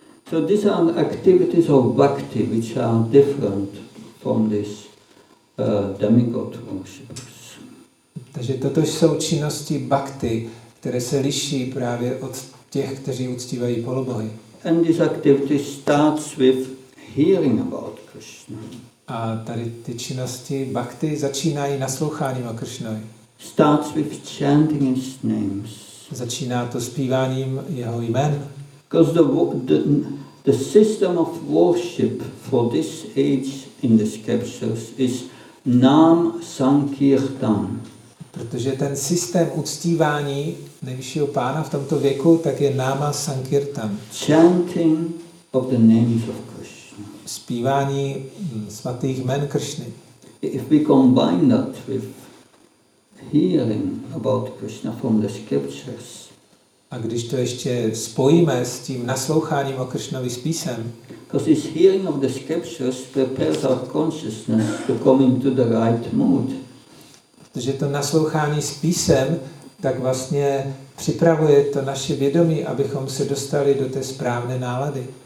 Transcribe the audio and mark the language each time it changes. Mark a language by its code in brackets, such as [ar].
[en] So these are activities of bhakti, which are different from this demigod worshipers. [cs] Takže toto jsou činnosti bhakti, které se liší právě od těch, kteří uctívají polobohy. [en] And this activity starts with hearing about Krishna. [cs] A tady ty činnosti bhakti začínají nasloucháním o Krishnovi. [en] Starts with chanting his names. [cs] Začíná to zpíváním jeho jmen. [en] Because the system of worship for this age in the scriptures is Nam Sankirtan. [cs] Protože ten systém uctívání nejvyššího pána v tomto věku, tak je Nama Sankirtan. [en] Chanting of the names of Krishna. [cs] Zpívání svatých jmen Krishny. [en] If we combine that with hearing about Krishna from the scriptures. [cs] A když to ještě spojíme s tím nasloucháním o Krišnovi s písem. [en] Because this hearing of the scriptures prepares our consciousness to come into the right mood. [cs] Protože to naslouchání s písem tak vlastně připravuje to naše vědomí, abychom se dostali do té správné nálady.